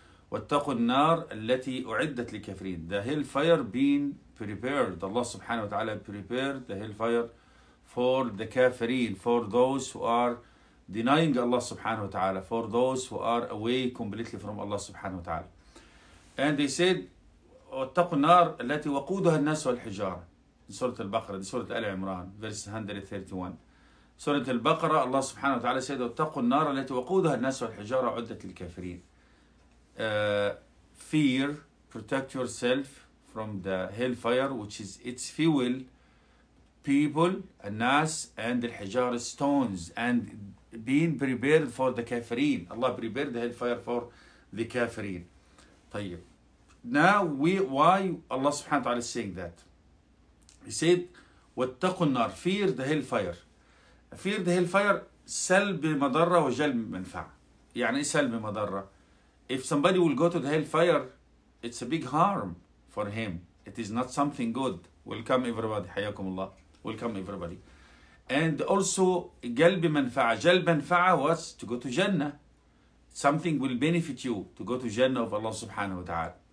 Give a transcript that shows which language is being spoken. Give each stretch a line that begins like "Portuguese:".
Arabic: وَاتَّقُوا النَّارِ الَّتِي أُعِدَّتْ لِكَفْرِينَ.
English: The hellfire being prepared. Allah subhanahu wa ta'ala prepared the hellfire for the kafirin, for those who are denying Allah subhanahu wa ta'ala, for those who are away completely from Allah subhanahu wa ta'ala. And they said,
Arabic: وَاتَّقُوا النَّارِ الَّتِي وَقُودُهَا النَّاسُ وَالْحِجَارَةِ.
English: In Surah Al-Baqarah, Surah Al-Imran, verse 131. Surah Al-Baqarah, Allah subhanahu wa ta'ala said,
Arabic: وَاتَّقُوا النَّارِ الَّتِي وَقُودُهَا النَّاسُ وَالْحِجَارَةِ عُدَّةِ لِلْكَافِرِينَ.
English: Fear, protect yourself from the hellfire, which is its fuel, people, الناس, and الحجار, stones, and being prepared for the kafirin. Allah prepared the hellfire for the kafirin.
Arabic: طيب.
English: Now, why Allah subhanahu wa ta'ala is saying that? He said,
Arabic: وَاتَّقُوا النَّارِ,
English: fear the hellfire. Fear the hellfire,
Arabic: سَلْبِ مَضَرَّ وَجَلْبِ مَنْفَعَ. يعني سَلْبِ مَضَرَّ.
English: If somebody will go to the hellfire, it's a big harm for him. It is not something good. Welcome everybody.
Arabic: حياكم الله.
English: Welcome everybody. And also,
Arabic: جلب منفعة. جلب منفعة
English: was to go to Jannah. Something will benefit you to go to Jannah of Allah subhanahu wa ta'ala.